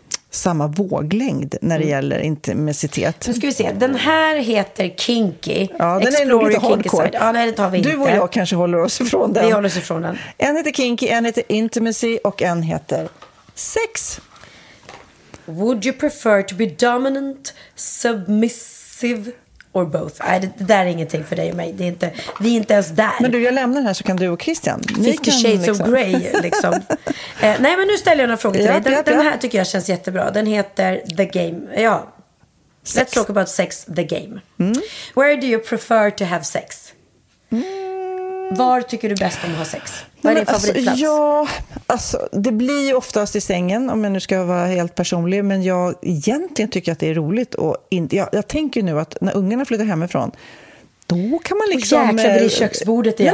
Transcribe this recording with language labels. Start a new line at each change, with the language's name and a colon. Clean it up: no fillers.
Swedish: samma våglängd när det gäller intimitet. Nu ska vi se. Den här heter Kinky. Ja, den Explore är nog lite hardcore. Ja, nej, det tar vi du inte. Och jag kanske håller oss ifrån den. Vi håller oss ifrån den. En heter Kinky, en heter Intimacy och en heter Sex.
English: Would you prefer to be dominant, submissive or both?
Swedish: Nej, det där är ingenting för dig och mig. Det är inte, vi är inte ens där. Men du, jag lämnar den här så kan du och Christian. Fifty Shades liksom. Of Grey, liksom. Nej, men nu ställer jag några frågor till dig. Den här tycker jag känns jättebra. Den heter The Game. Ja. Sex.
English: Let's talk about sex, The Game. Mm. Where do you prefer to have sex? Mm.
Swedish: Var tycker du bäst om att ha sex? Vad är din favoritplats? Alltså, ja, alltså, det blir ju oftast i sängen, om jag nu ska vara helt personlig. Men jag egentligen tycker att det är roligt. Och jag tänker ju nu att när ungarna flyttar hemifrån, då kan man liksom... Och jäklar, det är köksbordet igen.